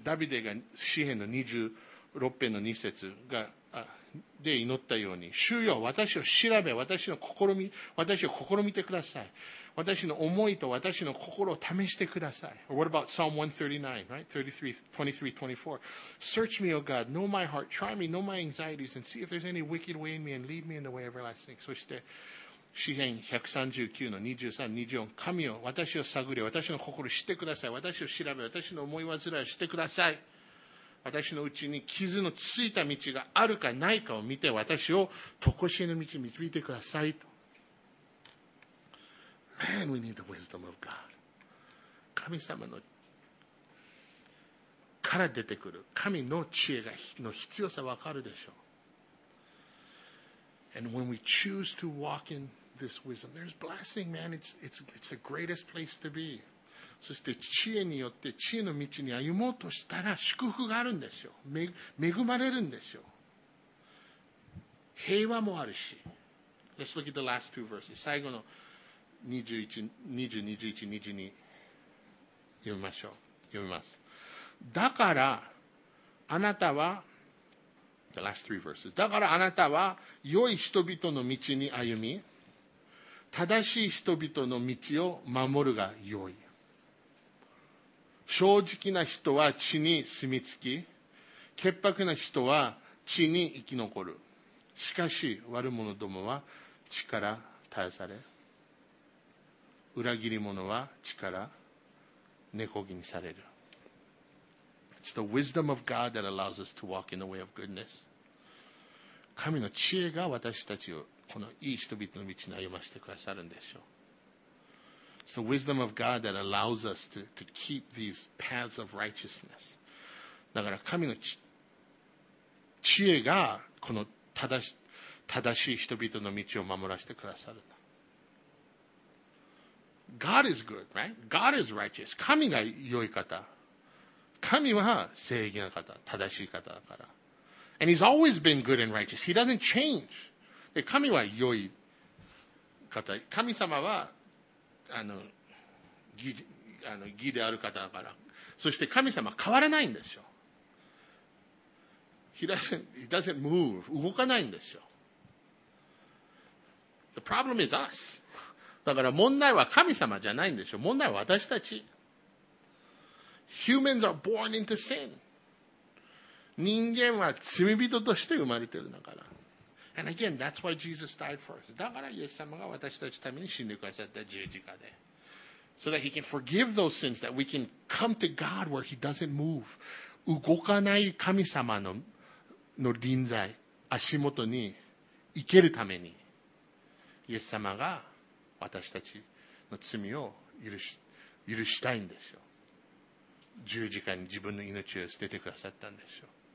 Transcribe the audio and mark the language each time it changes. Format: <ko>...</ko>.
<ja>ダビデが詩篇の26編の2節がで祈ったように、主よ、私を調べ、私を試みてください。私の思いと私の心を試してください。</ja> <en>Or what about Psalm 139, right? 33:23-24. Search me, O God, know my heart, try me, know my anxieties, and see if there's any wicked way in me, and lead me in the way everlasting.</en> <ja>そして、詩篇139-23-24。神よ、私を探り、私の心を知ってください。私を調べ、私の思い煩いを知ってください。私のうちに傷のついた道があるかないかを見て、私を常しえの道に導いてくださいと。</ja> <en>Man, we need the wisdom of God.</en> <ja>神様のから出てくる神の知恵がの必要さ分かるでしょう。</ja> <en>And when we choose to walk in this wisdom, there's blessing, man. It's the greatest place to be.</en> <ja>そして知恵によって知恵の道に歩もうとしたら祝福があるんでしょう。恵まれるんでしょう。平和もあるし。</ja> <en>Let's look at the last two verses.</en> <ja>最後の20、21、22読みましょう。読みます。だからあなたは、</ja> <en>the last three verses.</en> <ja>だからあなたは良い人々の道に歩み、正しい人々の道を守るが良い。正直な人は地に住み着き、潔白な人は地に生き残る。しかし悪者どもは地から絶やされ、裏切り者は地から根こぎにされる。</ja> <en>It's the wisdom of God that allows us to walk in the way of goodness.</en> <ja>神の知恵が私たちをこのいい人々の道に歩ませてくださるんでしょう。</ja> <en>It's the wisdom of God that allows us to keep these paths of righteousness.</en> <ja>だから神の知恵がこの正しい人々の道を守らせてくださる。</ja> <en>God is good, right? God is righteous.</en> <ja>神が良い方。神は正義な方、正しい方だから。</ja> <en>And he's always been good and righteous. He doesn't change.</en> <ja>で、神は良い方。神様は義である方だから、そして神様変わらないんですよ。</ja> <en>He doesn't move,</en> <ja>動かないんですよ。</ja> <en>The problem is us.</en> <ja>だから問題は神様じゃないんですよ。問題は私たち。</ja> <en>Humans are born into sin.</en> <ja>人間は罪人として生まれてるんだから。</ja> <en>And again, that's why Jesus died for us.</en> <ja>だからイエス様が私たちのために死んでくださった十字架で。</ja> <en>So that he can forgive those sins, that we can come to God where he doesn't move.</en> <ja>動かない神様の臨在、足元に行けるために、イエス様が私たちの罪を許したいんですよ。十字架に自分の命を捨ててくださったんですよ。</ja>